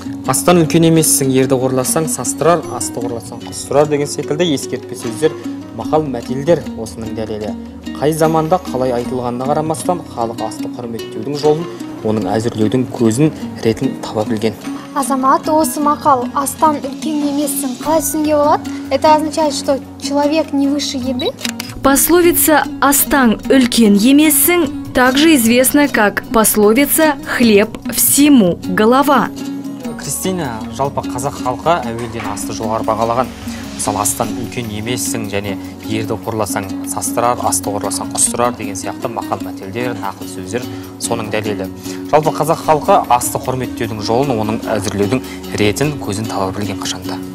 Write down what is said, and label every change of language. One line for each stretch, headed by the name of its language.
Kazakh: Астан үлкен емессің, ерді қорласаң састырар, асты қорласаң құс сұрар деген секілді ескертпе сөздер, мақал мәтелдер осының дәлелі. Қай заманда қалай айтылғанына қарамастан, халық асты құрметтеудің жолын, оның әзірлеудің көзін, ретін таба білген. Азамат, осы мақал астан үлкен емессің, қалай түсінуге болады?
Russian: Это означает, что человек не выше еды? Пословица «Астан үлкен емессің» также известна как пословица «Хлеб всему голова».
Kazakh: Кристина, жалпы қазақ халқы әуелден асты жоғары бағалаған. Мысалы, астан үлкен емессің және ерді қорласаң састырар, асты қорласаң құстырар деген сияқты мақал мәтелдер, нақыл сөздер соның дәлелі. Жалпы қазақ халқы асты құрметтеудің жолын, оның әзірлеудің ретін, көзін таба білген қашанда.